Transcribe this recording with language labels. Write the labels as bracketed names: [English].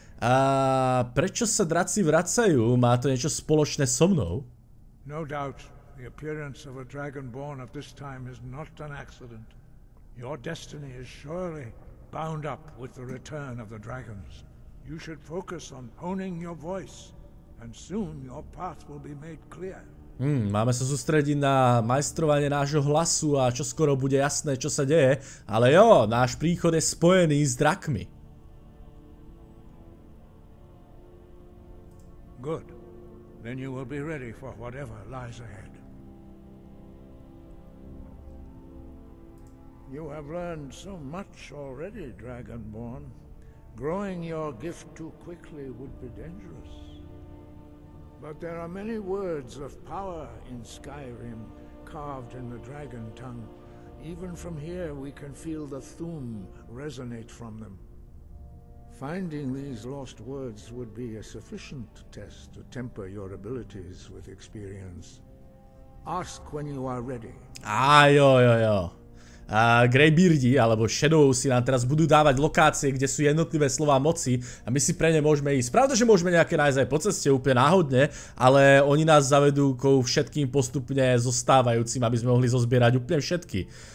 [Slovak] A prečo sa draci vracajú? Má to niečo spoločné so mnou? [English] No doubt, the appearance of a dragonborn at this time is not an accident. Your destiny is surely bound up with the return of the dragons. You should focus on honing your voice and soon your path will be made clear. [Slovak] Máme sa sústrediť na majstrovanie nášho hlasu a čoskoro bude jasné, čo sa deje, ale jo, náš príchod je spojený s drakmi. [English] Good. Then you will be ready for whatever lies ahead. You have learned so much already, Dragonborn. Growing your gift too quickly would be dangerous. But there are many words of power in Skyrim, carved in the dragon tongue. Even from here, we can feel the thum resonate from them. Finding these lost words would be a sufficient test to temper your abilities with experience. Ask when you are ready. Jo. [Slovak] A Greybeardi alebo Shadow si nám teraz budú dávať lokácie, kde sú jednotlivé slová moci a my si pre ne môžeme ísť. Pravda, že môžeme nejaké nájsť aj po ceste úplne náhodne, ale oni nás zavedú ko všetkým postupne zostávajúcim, aby sme mohli zozbierať úplne všetky.